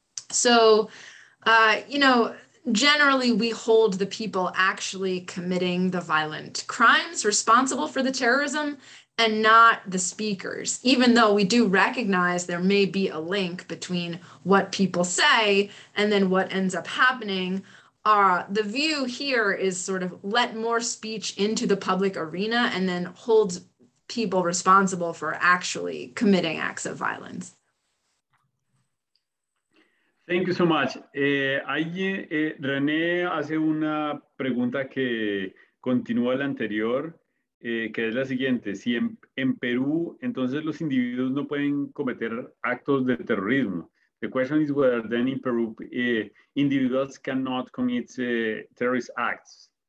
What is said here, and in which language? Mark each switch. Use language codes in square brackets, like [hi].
[en] So, you know, generally we hold the people actually committing the violent crimes responsible for the terrorism and not the speakers, even though we do recognize there may be a link between what people say and then what ends up happening. The view here is sort of let more speech into the public arena and then hold people responsible for actually committing acts of violence. Thank you so much. [es] René hace una pregunta que continúa la anterior. Que es la siguiente, si en Perú entonces los individuos no pueden cometer actos de terrorismo, [en] The question is whether then in Peru individuals cannot commit terrorist acts.